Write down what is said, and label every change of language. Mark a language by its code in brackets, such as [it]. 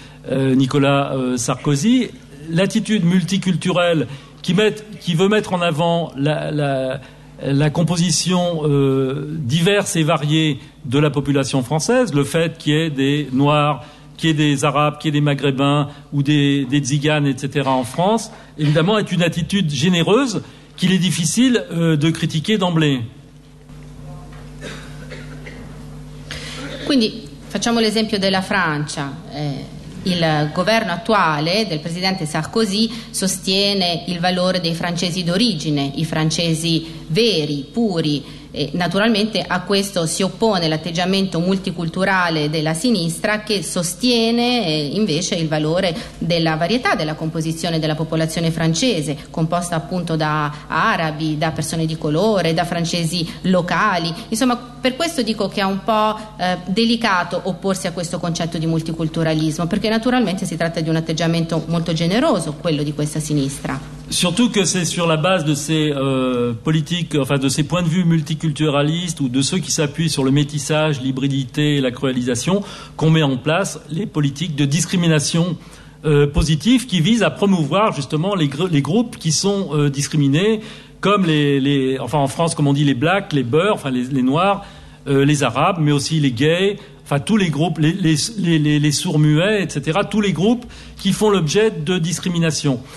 [fr] Nicolas Sarkozy, l'attitude multiculturelle qui veut mettre en avant la composition diverse et variée de la population française, le fait qu'il y ait des Noirs, qu'il y ait des Arabes, qu'il y ait des Maghrébins ou des Tziganes, etc. en France, évidemment, est une attitude généreuse qu'il est difficile de critiquer d'emblée. [it] Quindi, facciamo l'esempio della Francia. Il governo attuale del presidente Sarkozy sostiene il valore dei francesi d'origine, i francesi veri, puri, e naturalmente a questo si oppone l'atteggiamento multiculturale della sinistra, che sostiene invece il valore della varietà della composizione della popolazione francese, composta appunto da arabi, da persone di colore, da francesi locali. Insomma, per questo dico che è un po' delicato opporsi a questo concetto di multiculturalismo, perché naturalmente si tratta di un atteggiamento molto generoso, quello di questa sinistra. [fr] Surtout que c'est sur la base de ces politiques, enfin de ces points de vue multiculturalistes ou de ceux qui s'appuient sur le métissage, l'hybridité et la cruellisation qu'on met en place les politiques de discrimination positive qui visent à promouvoir justement les groupes qui sont discriminés, comme enfin en France, comme on dit, les blacks, les beurs, enfin les noirs, les arabes, mais aussi les gays, enfin tous les groupes, les sourds-muets, etc., tous les groupes qui font l'objet de discrimination.